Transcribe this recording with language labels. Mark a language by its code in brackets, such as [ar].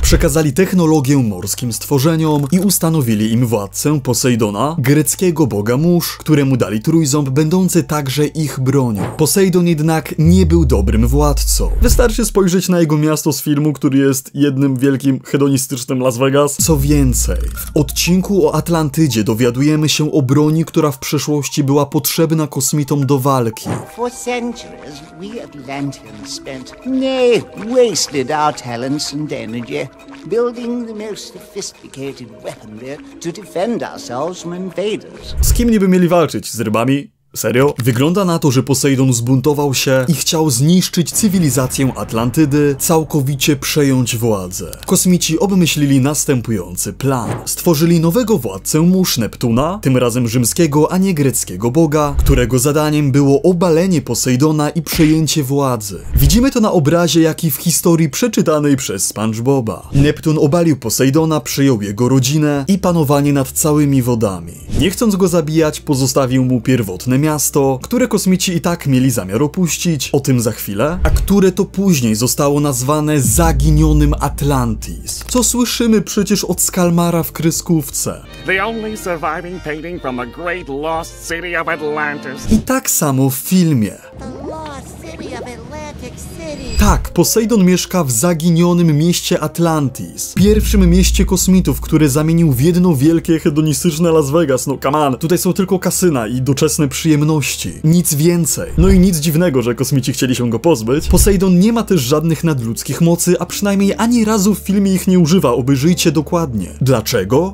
[pl] Przekazali technologię morskim stworzeniom i ustanowili im władcę Posejdona, greckiego boga mórz, któremu dali trójząb, będący także ich bronią. Posejdon jednak nie był dobrym władcą. Wystarczy spojrzeć na jego miasto z filmu, który jest jednym wielkim hedonistycznym Las Vegas. Co więcej, w odcinku o Atlantydzie dowiadujemy się o broni, która w przeszłości była potrzebna kosmitom do walki. [en] For centuries, we Atlanteans spent, nay, wasted our talents and energy, building the most sophisticated weaponry to defend ourselves from invaders. [pl] Z kim niby mieli walczyć? Z rybami? Serio? Wygląda na to, że Posejdon zbuntował się i chciał zniszczyć cywilizację Atlantydy, całkowicie przejąć władzę. Kosmici obmyślili następujący plan. Stworzyli nowego władcę mórz Neptuna, tym razem rzymskiego, a nie greckiego boga, którego zadaniem było obalenie Posejdona i przejęcie władzy. Widzimy to na obrazie, jak i w historii przeczytanej przez SpongeBoba. Neptun obalił Posejdona, przejął jego rodzinę i panowanie nad całymi wodami. Nie chcąc go zabijać, pozostawił mu pierwotne miasto, które kosmici i tak mieli zamiar opuścić, o tym za chwilę, a które to później zostało nazwane Zaginionym Atlantis. Co słyszymy przecież od Skalmara w kreskówce. [en] The only surviving painting from a great lost city of Atlantis. [pl] I tak samo w filmie. Tak, Posejdon mieszka w zaginionym mieście Atlantis. Pierwszym mieście kosmitów, które zamienił w jedno wielkie hedonistyczne Las Vegas. No [en] come on, [pl] tutaj są tylko kasyna i doczesne przyjemności. Nic więcej. No i nic dziwnego, że kosmici chcieli się go pozbyć. Posejdon nie ma też żadnych nadludzkich mocy, a przynajmniej ani razu w filmie ich nie używa, obejrzyjcie dokładnie. Dlaczego?